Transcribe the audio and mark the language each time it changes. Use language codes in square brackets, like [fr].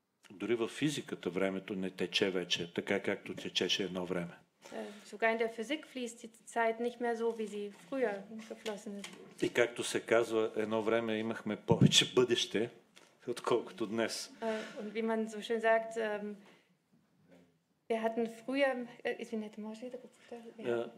[bg] Дори във физиката времето не тече вече, така както течеше едно време. [de] Sogar in der Physik fließt die Zeit nicht mehr so, wie sie früher geflossen ist. [bg] И както се казва, едно време имахме повече бъдеще, отколкото днес. [de] Und wie man so schön sagt, wir hatten früher, [bg] извинете, може ли да го повторя?